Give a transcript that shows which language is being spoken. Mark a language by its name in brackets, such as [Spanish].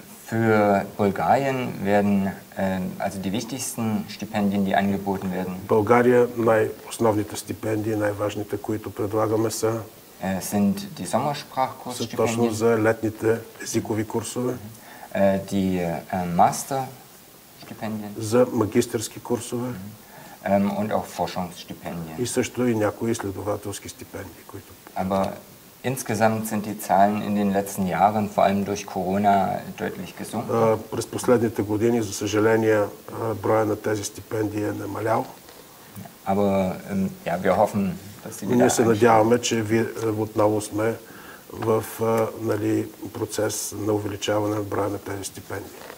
[German] Für Bulgarien werden also die wichtigsten Stipendien, die angeboten werden. [Bulgarian] България най-основните стипендии, най-важните, които предлагаме са. [German] Sind die Sommersprachkurse Stipendien. [Bulgarian] Точно за летните езикови курсове. [German] Die Master Stipendien. [Bulgarian] За магистърски курсове. [German] Und auch Forschungsstipendien. [Bulgarian] И също и някои изследователски стипендии, които. [German] Aber Insgesamt sind die Zahlen in den letzten Jahren, vor allem durch Corona, deutlich gesunken. [Bulgarian] През последните години, за съжаление, броя на тези стипендии е намалял. [German] Aber ja, wir hoffen, dass sie wieder. [Bulgarian] Ние се надяваме, че отново сме в нали, процес на увеличаване на броя на тези стипендии.